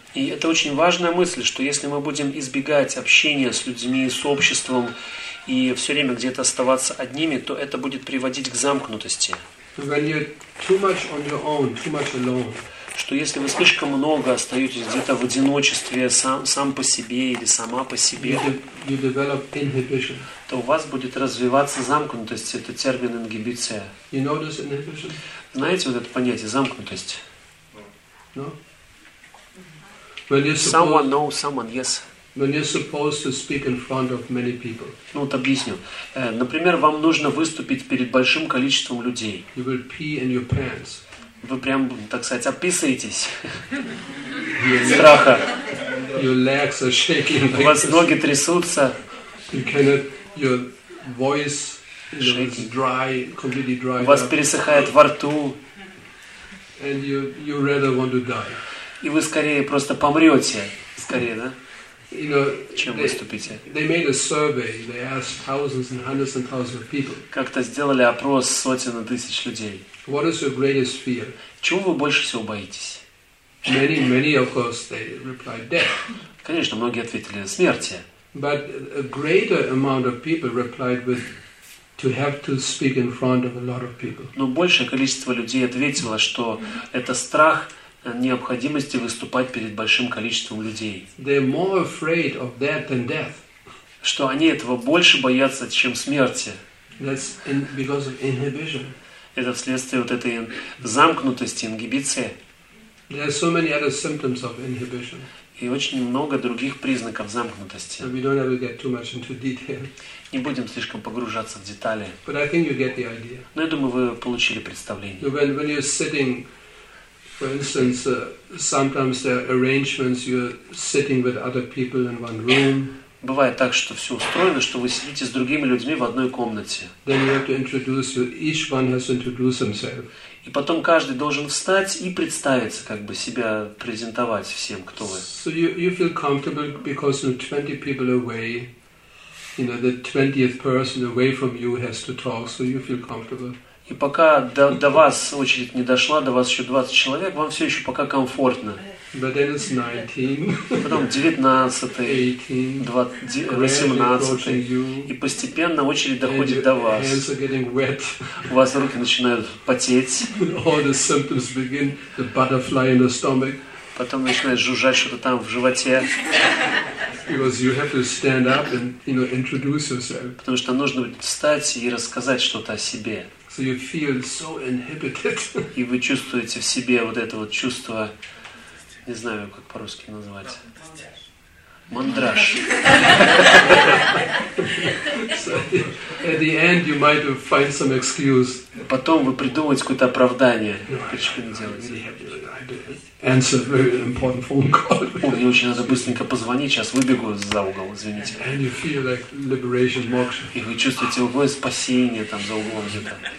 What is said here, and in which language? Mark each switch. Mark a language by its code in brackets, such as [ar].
[ru] И это очень важная мысль, что если мы будем избегать общения с людьми, с обществом и все время где-то оставаться одними, то это будет приводить к замкнутости. [en] When you're too much on your own, too much alone. [ru] Что если вы слишком много остаетесь где-то в одиночестве, сам по себе или сама по себе, [en] you develop inhibition. [ru] То у вас будет развиваться замкнутость, это термин ингибиция. [en] You notice inhibition? [ru] Знаете вот это понятие, замкнутость? [en] No? When you're supposed, someone knows, someone, yes. When you're supposed to speak in front of many people. [ru] Ну вот объясню. Например, вам нужно выступить перед большим количеством людей. [en] You will pee in your pants. [ru] Вы прям, так сказать, описываетесь страха. [en] Your legs are shaking. [ru] У вас ноги трясутся. [en] You cannot, your voice is dry, completely dry. [ru] У вас пересыхает во рту. [en] And you rather want to die. [ru] И вы скорее просто помрете, скорее, да? [en] You know, [ru] чем выступите. [en] They made a survey. They asked thousands and hundreds and thousands of people. [ru] Как-то сделали опрос сотен тысяч людей. [en] What is your greatest fear? [ru] Чего вы больше всего боитесь? [en] Many, of course, they replied death. [ru] Конечно, многие ответили смерти. [en] But a greater amount of people replied with to have to speak in front of a lot of people. [ru] Но большее количество людей ответило, что это страх необходимости выступать перед большим количеством людей. [en] They're more afraid of that than death. [ru] Что они этого больше боятся, чем смерти. [en] That's in, because of inhibition. [ru] Это вследствие вот этой замкнутости, ингибиции. [en] There are so many other symptoms of inhibition. [ru] И очень много других признаков замкнутости. [en] We don't have to get too much into detail. [ru] Не будем слишком погружаться в детали. [en] But I think you get the idea. [ru] Но я думаю, вы получили представление. [en] When you're sitting, for instance, sometimes there are arrangements, you're sitting with other people in one room. [ru] Бывает так, что все устроено, что вы сидите с другими людьми в одной комнате. [en] Then you have to introduce you. Each one has to introduce himself. [ru] И потом каждый должен встать и представиться, как бы себя презентовать всем, кто вы. [en] So you feel comfortable because you're 20 people away. You know, the 20th person away from you has to talk, so you feel comfortable. [ru] И пока до вас очередь не дошла, до вас еще 20 человек, вам все еще пока комфортно. [en] But then it's 19. [ru] Потом 19-й, 18-й. И постепенно очередь доходит до вас. [en] Hands are getting wet. [ru] У вас руки начинают потеть. [en] All the symptoms begin, the butterfly in the stomach. [ru] Потом начинает жужжать что-то там в животе. [en] Because you have to stand up and, you know, introduce yourself. [ru] Потому что нужно встать и рассказать что-то о себе. [en] So you feel so inhibited. [ru] И вы чувствуете в себе вот это вот чувство, не знаю, как по-русски назвать. Мандраж. [en] So at the end you might find some excuse. [ru] Потом вы придумаете какое-то оправдание. Почему не делаете? [en] Answer very important phone call. [ru] О, мне очень надо быстренько позвонить, сейчас выбегу за угол, извините. [en] And you feel like liberation, moksha. [ru] И вы чувствуете угол спасения там за углом где-то.